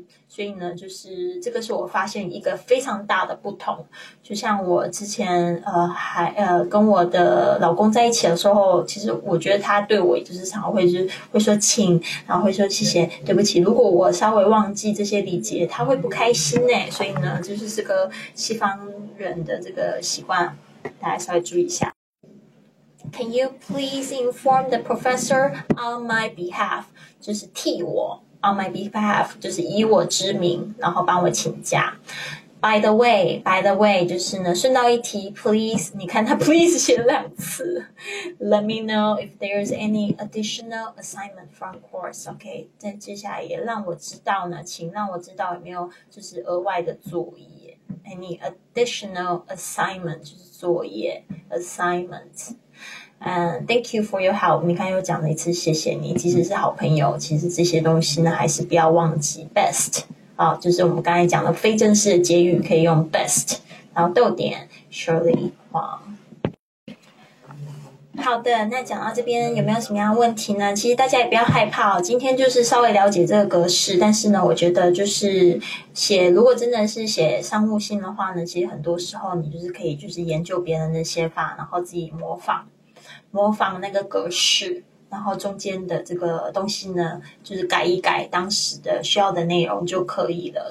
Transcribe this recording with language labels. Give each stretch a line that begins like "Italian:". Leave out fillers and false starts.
Chinese: 所以呢就是这个是我发现一个非常大的不同，就像我之前跟我的老公在一起的时候，其实我觉得他对我就是常常会说请，然后会说谢谢对不起，如果我稍微忘记这些礼节他会不开心欸，所以呢就是这个西方人的这个习惯大家稍微注意一下。
English: Can you please inform the professor on my behalf?
Chinese: 就是替我
English: On my behalf,
Chinese: 就是以我之名然后帮我请假。
English: By the way,
Chinese: 就是呢顺道一提 please, 你看他 please 写了两次。
English: Let me know if there's any additional assignment from course, okay?
Chinese: 但接下来也让我知道呢，请让我知道有没有就是额外的作业。
English: Any additional assignment,
Chinese: 就是作业
English: ,assignment. Thank you for your help.
Chinese: 你看又讲了一次谢谢你，即使是好朋友其实这些东西呢还是不要忘记 best、啊、就是我们刚才讲的非正式的结语可以用 best, 然后逗点 Shirley 黄。好的，那讲到这边有没有什么样的问题呢？其实大家也不要害怕、哦、今天就是稍微了解这个格式，但是呢我觉得就是写，如果真的是写商务信的话呢，其实很多时候你就是可以就是研究别人的写法，然后自己模仿那个格式，然后中间的这个东西呢就是改一改当时的需要的内容就可以了。